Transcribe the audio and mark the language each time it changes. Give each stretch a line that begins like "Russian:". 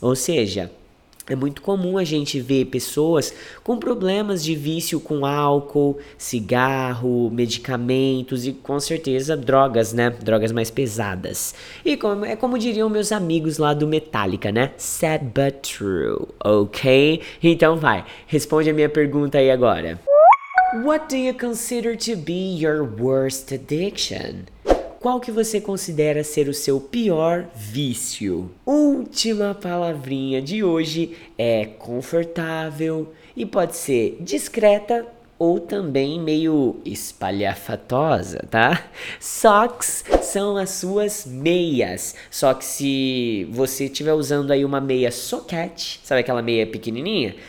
Portuguese: Ou seja, é muito comum a gente ver pessoas com problemas de vício com álcool, cigarro, medicamentos e, com certeza, drogas, né? Drogas mais pesadas. E como, é como diriam meus amigos lá do Metallica, né?
English: Sad but true,
Portuguese: ok? Então vai, responde a minha pergunta aí agora.
English: What do you consider to be your worst addiction?
Portuguese: Qual que você considera ser o seu pior vício? Última palavrinha de hoje é confortável e pode ser discreta ou também meio espalhafatosa, tá? Socks são as suas meias. Só que se você estiver usando aí uma meia soquete, sabe aquela meia pequenininha?